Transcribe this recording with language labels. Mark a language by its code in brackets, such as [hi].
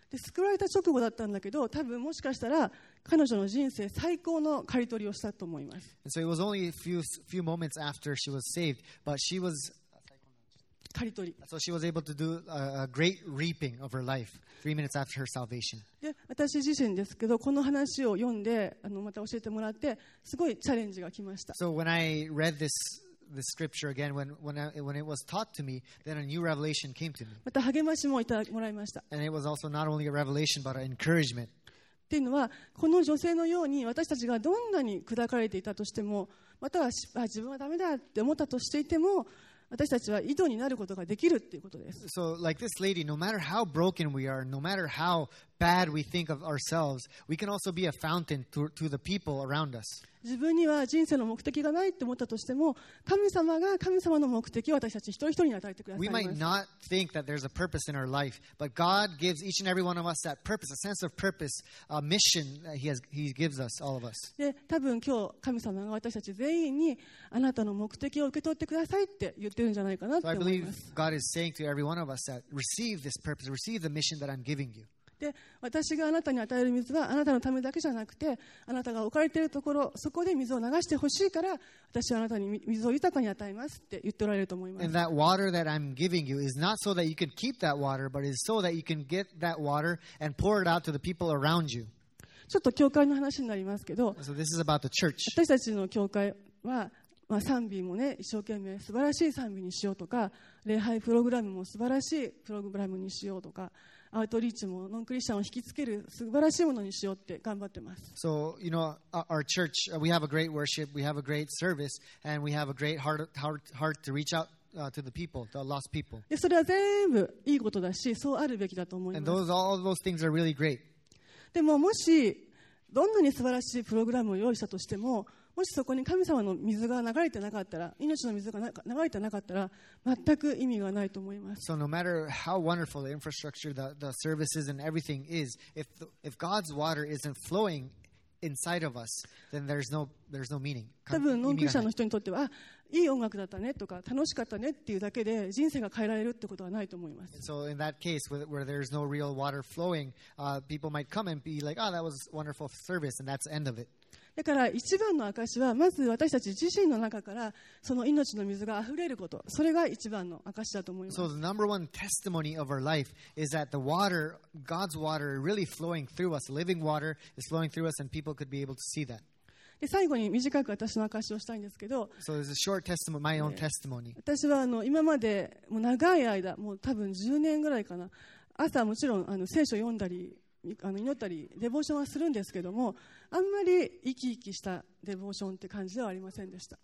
[ja] で、救われた直後だったんだけど、多分もしかしたら彼女の人生最高の刈り取りをしたと思います。 [en] And so it was only a few moments after she was saved, but she was [ja] 刈り取り。 [en] So she was able to do a great reaping of her life 3 minutes after her salvation. [ja] で、私自身ですけど、この話を読んで、あの、また教えてもらって、すごいチャレンジが来ました。 [en] So when I read this scripture again, when it was taught to me, then a new revelation came to me. [ja] また励ましもいただもらいました。 [en] And it was also not only a revelation, but an encouragement. [ja] っていうのは、この女性のように私たちがどんなに砕かれていたとしても、または自分はダメだって思ったとしていても、私たちは井戸になることができるっていうことです。 [en] So like this lady, no matter how broken we are, no matter how bad we think of ourselves, we can also be a fountain to the people around us. [ja] 自分には人生の目的がないって思ったとしても、神様が神様の目的を私たち一人一人に与えてくださいます。 [en] We might not think that there's a purpose in our life, but God gives each and every one of us that purpose, a sense of purpose, a mission that he gives us, all of us. [ja] で、多分今日神様が私たち全員にあなたの目的を受け取ってくださいって言ってるんじゃないかなって思います。 [en] So I believe God is saying to every one of us that receive this purpose, receive the mission that I'm giving you. [ja] で、私があなたに与える水はあなたのためだけじゃなくて、あなたが置かれているところ、そこで水を流してほしいから、私はあなたに水を豊かに与えますって言っておられると思います。 [en] And that water that I'm giving you is not so that you can keep that water, but is so that you can get that water and pour it out to the people around you. [ja] ちょっと教会の話になりますけど、 [en] So this is about the church. [ja] 私たちの教会は、まあ、賛美もね、一生懸命素晴らしい賛美にしようとか、礼拝プログラムも素晴らしいプログラムにしようとか、アウトリーチもノンクリスチャンを引きつける素晴らしいものにしようって頑張ってます。 [en] So, you know, our church, we have a great worship, we have a great service, and we have a great heart to reach out to the people, the lost people. [ja] で、それは全部いいことだし、そうあるべきだと思います。 [en] And all those things are really great. [ja] でも、もし、どんなに素晴らしいプログラムを用意したとしても、もしそこに神様の水が流れてなかったら、命の水が流れてなかったら、全く意味がないと思います。 [en] So no matter how wonderful the infrastructure, the services and everything is, if God's water isn't flowing inside of us, then there's no meaning. [ja] 多分ノンクリスチャンの人にとっては、いい音楽だったねとか楽しかったねっていうだけで人生が変えられるってことはないと思います。 [en] So in that case, where there's no real water flowing, people might come and be like, oh, that was wonderful service, and that's the end of it. [ja] だから一番の証は、まず私たち自身の中からその命の水があふれること、それが一番の証だと思います。 [en] So the number one testimony of our life is that the water, God's water, really flowing through us, living water is flowing through us, and people could be able to see that. [ja] で、最後に短く私の証をしたいんですけど、 [en] So there's a short testimony, my own testimony. [ja] 私は、あの、今までもう長い間、もう多分10年ぐらいかな、朝もちろん、あの、聖書読んだり、あの、祈ったりデボーションはするんですけども、あんまり生き生きしたデボーションって感じではありませんでした。